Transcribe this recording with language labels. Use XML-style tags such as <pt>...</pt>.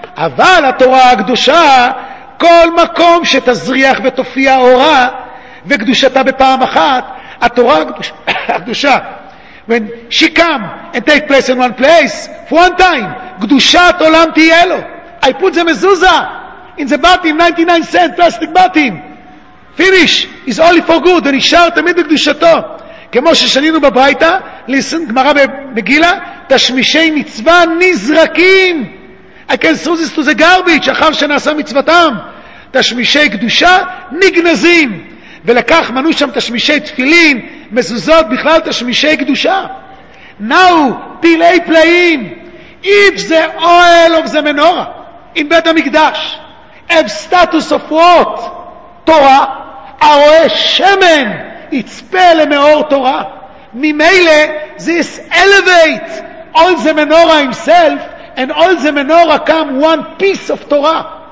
<he>אבל התורה הקדושה, כל מקום שתזריח ותופיע אורה וקדושתה בפעם אחת, התורה הקדושה,</he> <en>when she come and take place in one place, for one time,</en> <he>קדושת עולם תהיה לו.</he> <en>I put the mezuzah in the batim, 99 cent plastic batim. Finish. It's only for good.</en> <he>And ishar tamid bekdushato. כמו ששנינו בבריתה, listen, גמרא במגילה, תשמישי מצווה נזרקים.</he> <en>I can throw this to the garbage,</en> <he>אחר שנעשה מצוותם. תשמישי קדושה נגנזים. ולקח, מנו שם תשמישי תפילין, מזוזות בכלל תשמישי קדושה.</he> <en>Now, פלאי פלאים. If the oil of the menorah, in בית המקדש, have status of what? תורה,</en> <he>הרואה שמן. יצפה למאור תורה,</he> <en>ממילא, this elevates all the menorah himself, and all the menorah come one piece of Torah.</en>